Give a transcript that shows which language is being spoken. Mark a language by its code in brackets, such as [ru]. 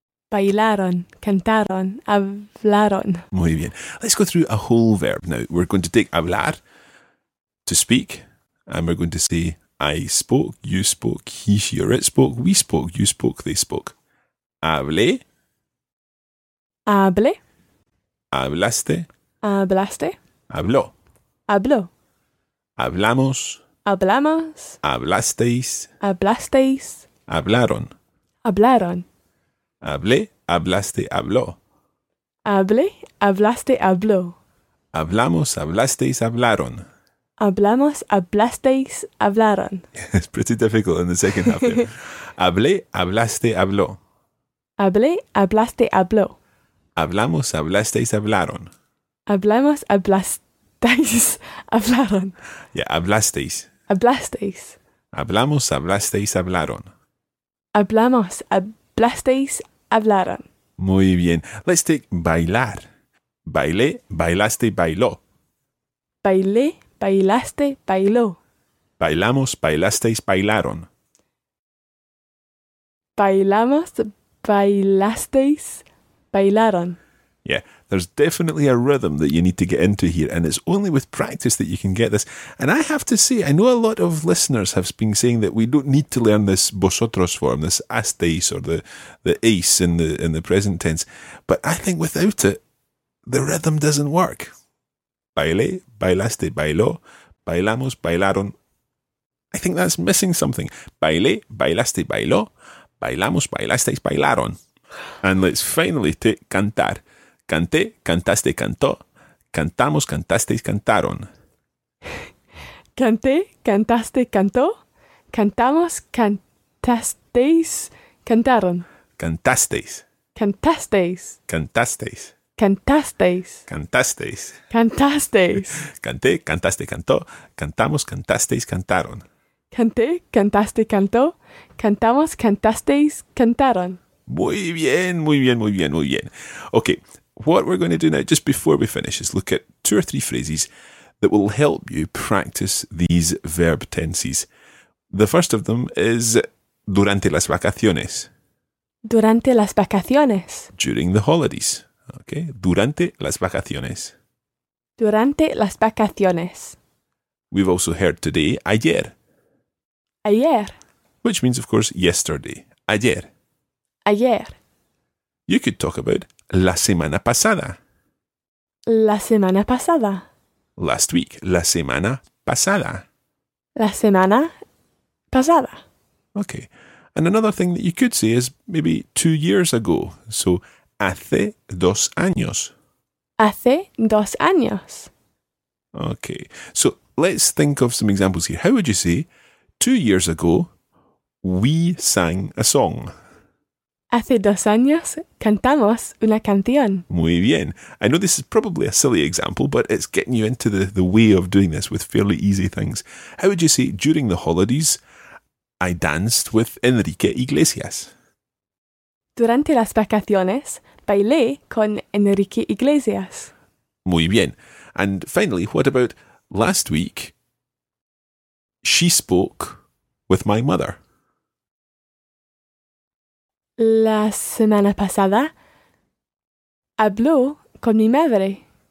[es] Bailaron, cantaron, hablaron. Muy bien. [en] Let's go through a whole verb now. We're going to take hablar to speak, and we're going to say I spoke, you spoke, he, she, or it spoke, we spoke, you spoke, they spoke. [es] Hablé. Hablé. Hablaste. Hablaste. Habló. Habló. Hablamos. Hablamos. Hablasteis. Hablasteis. Hablaron. Hablaron. Hablé, hablaste, habló. Hablé, hablaste, habló. Hablamos, hablasteis, hablaron. Hablamos, hablasteis, hablaron. [en] It's pretty difficult in the second half there. [es] Hablé, hablaste, habló. Hablé, hablaste, habló. Hablamos, hablasteis, hablaron. Hablamos, hablasteis, hablaron. Yeah, hablasteis. Hablasteis. Hablamos, hablasteis, hablaron. Hablamos, hablasteis, hablaron. Muy bien. [en] Let's take bailar. [es] Bailé, bailaste, bailó. Bailé, bailaste, bailó. Bailamos, bailasteis, bailaron. Bailamos, bailasteis, bailaron. [en] Yeah, there's definitely a rhythm that you need to get into here, and it's only with practice that you can get this. And I have to say, I know a lot of listeners have been saying that we don't need to learn this vosotros form, this asteis or the ace in the present tense, but I think without it, the rhythm doesn't work. [es] Baile, bailaste, bailó, bailamos, bailaron. [en] I think that's missing something. [es] Baile, bailaste, bailó, bailamos, bailasteis, bailaron. [en] And let's finally take cantar. [es] Canté, cantaste, cantó. Cantamos, cantasteis, cantaron. Canté, cantaste, cantó. Cantamos, cantasteis, cantaron. Cantasteis. Cantasteis. Cantasteis. Cantasteis. Cantasteis. Cantasteis. Canté, cantaste, cantó. Cantamos, cantasteis, cantaron. Canté, cantaste, cantó. Cantamos, cantasteis, cantaron. Muy bien, muy bien, muy bien, muy bien. [en] Okay. What we're going to do now, just before we finish, is look at two or three phrases that will help you practice these verb tenses. The first of them is [es] durante las vacaciones. Durante las vacaciones. [en] During the holidays. Okay. [es] Durante las vacaciones. Durante las vacaciones. [en] We've also heard today, ayer. [es] Ayer. [en] Which means, of course, yesterday. [es] Ayer. Ayer. [en] You could talk about [es] la semana pasada. La semana pasada. [en] Last week. [es] La semana pasada. La semana pasada. [en] Okay. And another thing that you could say is maybe 2 years ago. [es] So, hace dos años. Hace dos años. [en] Okay. So, let's think of some examples here. How would you say, 2 years ago, we sang a song? [es] Hace dos años cantamos una canción. Muy bien. [en] I know this is probably a silly example, but it's getting you into the way of doing this with fairly easy things. How would you say, during the holidays, I danced with Enrique Iglesias? [es] Durante las vacaciones, bailé con Enrique Iglesias. Muy bien. [en] And finally, what about last week, she spoke with my mother? [es] La semana pasada, habló con mi madre.